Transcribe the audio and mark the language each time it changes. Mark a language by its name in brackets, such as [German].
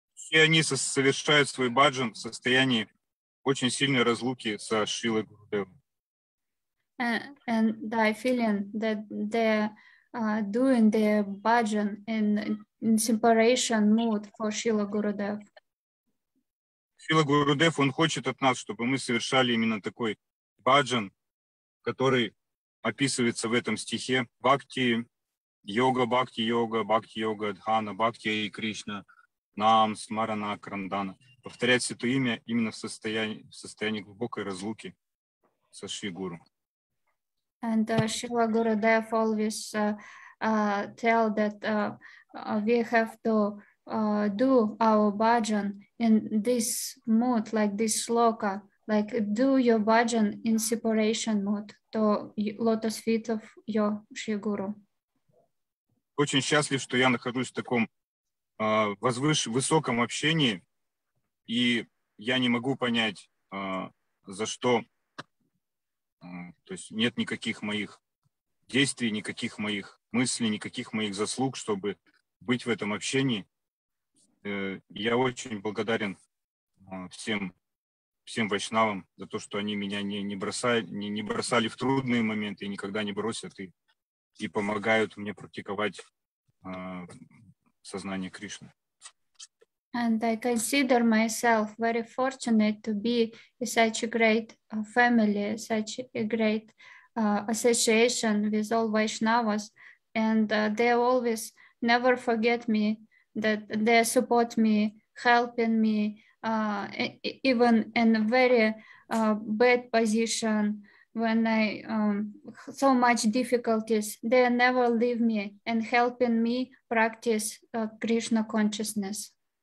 [Russian] И они совершают свой баджан в состоянии очень сильной разлуки со Шрилой Гурудевой. [English] And I feeling that they're doing their bhajan in separation mood for Srila Gurudev. [Russian] Шрила Гурудев, он хочет от нас, чтобы мы совершали именно такой баджан, который описывается в этом стихе. Бхакти йога, дхана, бхакти и Кришна. Нам, Смарана, Крандана. Повторять это имя именно в состоянии глубокой разлуки со Шри Гуру. [English] And Srila Gurudev always tell that we have to do our bhajan in this mood, like this shloka, like do your bhajan in separation mood to lotus feet of your Shri Guru. [Russian] Очень счастлив, что я нахожусь в таком высоком общении, и я не могу понять, за что, то есть нет никаких моих действий, никаких моих мыслей, никаких моих заслуг, чтобы быть в этом общении. Я очень благодарен всем вайшнавам за то, что они меня не бросали в трудные моменты и никогда не бросят, и помогают мне практиковать сознание Кришны. [English] And I consider myself very fortunate to be in such a great family, such a great association with all Vaishnavas, and they always never forget me, that they support me, helping me, even in a very bad position, when I so much difficulties, they never leave me and helping me practice Krishna consciousness.